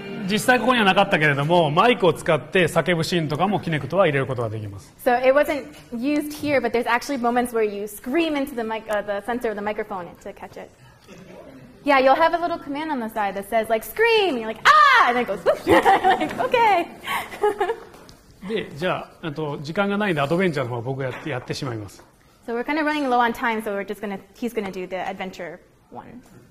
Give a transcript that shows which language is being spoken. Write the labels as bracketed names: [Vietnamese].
[Japanese] 実際ここにはなかったけれども、マイクを使って叫ぶシーンとかもキネクトは入れることができます。 [English] So it wasn't used here, but there's actually moments where you scream into the mic, the sensor of the microphone to catch it. Yeah, you'll have a little command on the side that says like scream, and you're like ah, and then it goes like okay. [Japanese] で、じゃあ、時間がないんでアドベンチャーの方は僕やってしまいます。 [English] So we're kind of running low on time, so we're just gonna he's gonna do the adventure one.